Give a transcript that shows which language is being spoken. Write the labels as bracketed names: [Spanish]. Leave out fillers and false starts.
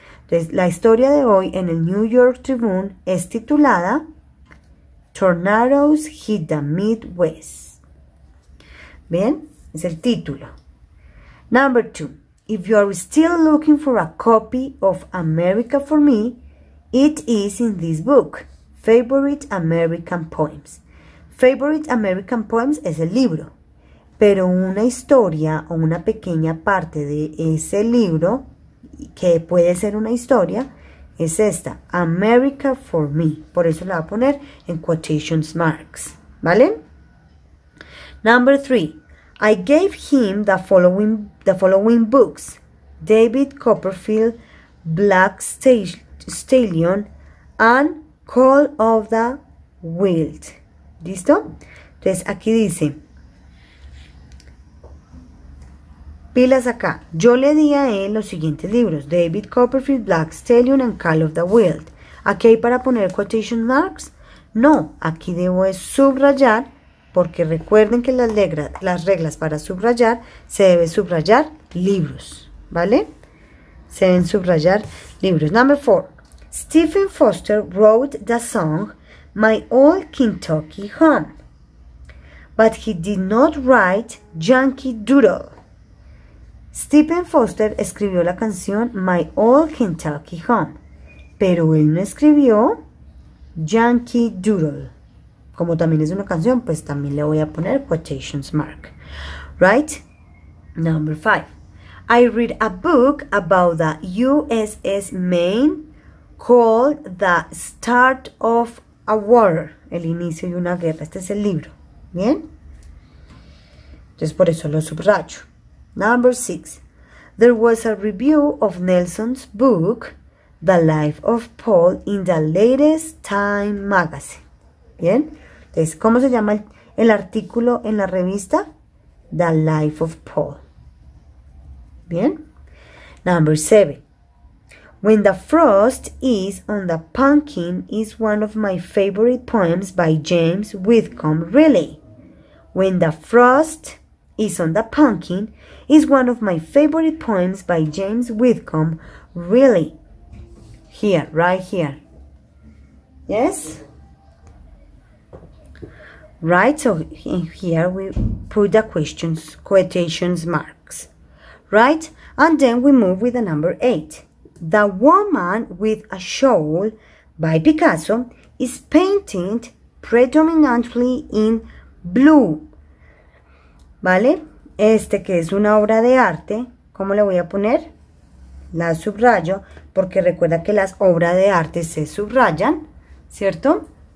[Spanish] Entonces, la historia de hoy en el New York Tribune es titulada Tornadoes Hit the Midwest. ¿Bien? Es el título. [English] Number two. If you are still looking for a copy of America for Me, it is in this book, Favorite American Poems. [Spanish] Favorite American Poems es el libro, pero una historia o una pequeña parte de ese libro, que puede ser una historia, es esta, America for Me. Por eso la voy a poner en quotations marks, ¿vale? [English] Number three, I gave him the following books, David Copperfield, Black Stallion, and Call of the Wild. [Spanish] ¿Listo? Entonces, aquí dice, pilas acá, yo le di a él los siguientes libros, David Copperfield, Black Stallion, and Call of the Wild. ¿Aquí hay para poner quotation marks? No, aquí debo es subrayar, porque recuerden que las reglas para subrayar, se debe subrayar libros, ¿vale? Se deben subrayar libros. [English] Number four. Stephen Foster wrote the song My Old Kentucky Home. But he did not write Yankee Doodle. [Spanish] Stephen Foster escribió la canción My Old Kentucky Home. Pero él no escribió Yankee Doodle. Como también es una canción, pues también le voy a poner quotations mark. [English] Right? Number five. I read a book about the USS Maine called The Start of a War. [Spanish] El inicio de una guerra. Este es el libro. ¿Bien? Entonces, por eso lo subrayo. [English] Number six. There was a review of Nelson's book, The Life of Paul, in the latest Time magazine. [Spanish] ¿Bien? Entonces, ¿cómo se llama el artículo en la revista? [English] The Life of Paul. [Spanish] ¿Bien? [English] Number seven. When the frost is on the pumpkin is one of my favorite poems by James Whitcomb Riley. When the frost is on the pumpkin is one of my favorite poems by James Whitcomb Riley. Here, right here. Yes? Right, so here we put the questions, quotations marks. Right, and then we move with the number 8. The Woman with a Shawl by Picasso is painted predominantly in blue. [Spanish] ¿Vale? Este que es una obra de arte, ¿cómo le voy a poner? La subrayo, porque recuerda que las obras de arte se subrayan, ¿cierto?